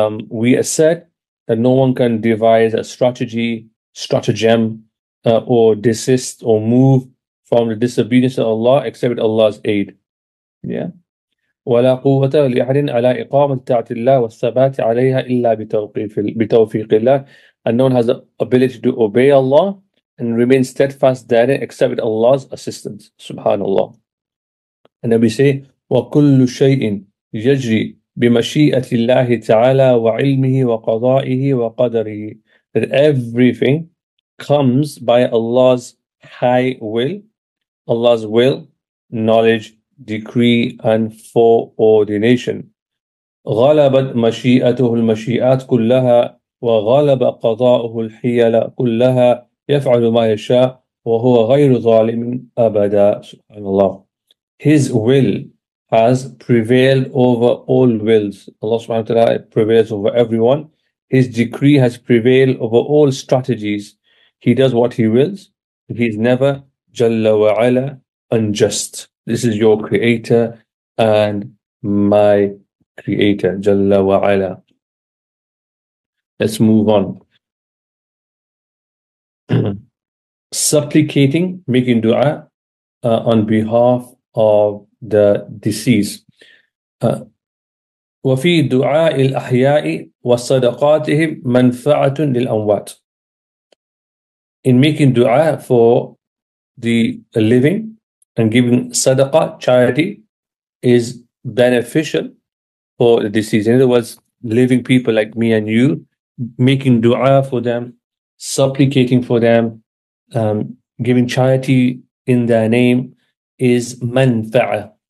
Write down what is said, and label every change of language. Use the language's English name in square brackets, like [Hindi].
[English] We assert that no one can devise a stratagem, or desist or move from the disobedience of Allah except with Allah's aid. [Arabic] Yeah. وَلَا قُوَّةَ لِأَحَدٍ عَلَىٰ إِقَامَةِ تَعْتِ اللَّهِ وَالثَّبَاتِ عَلَيْهَا إِلَّا بِتَوْفِيقِ اللَّهِ. [English] And no one has the ability to obey Allah and remain steadfast therein except with Allah's assistance. [Arabic] Subhanallah. [English] And then we say, [Arabic] وَكُلُّ شَيْءٍ يَجْرِي بِمَشِيئَةِ اللَّهِ تَعَالَىٰ وَعِلْمِهِ وَقَضَائِهِ وَقَدَرِهِ. [English] That everything comes by Allah's high will, Allah's will, knowledge, decree, and foreordination. [Arabic] غَلَبَتْ مَشِيئَتُهُ الْمَشِيئَاتِ كُلَّهَا وَغَلَبَ قَضَاءُهُ الْحِيَلَ كُلَّهَا يَفْعَلُ مَا يَشَاءُ وَهُوَ غَيْرُ ظَالِمٍ أَبَدًا. Subhanallah. [English] His will has prevailed over all wills. Allah subhanahu wa ta'ala prevails over everyone. His decree has prevailed over all strategies. He does what he wills. He is never jalla wa ala unjust. This is your creator and my creator, jalla wa ala. Let's move on. Supplicating, making dua on behalf of the deceased. [Arabic] وفي دعاء الأحياء وصدقاتهم منفعة للأموات. [English] In making dua for the living and giving sadaqah, charity, is beneficial for the deceased. In other words, living people like me and you, making dua for them, supplicating for them, giving charity in their name is manfa'ah.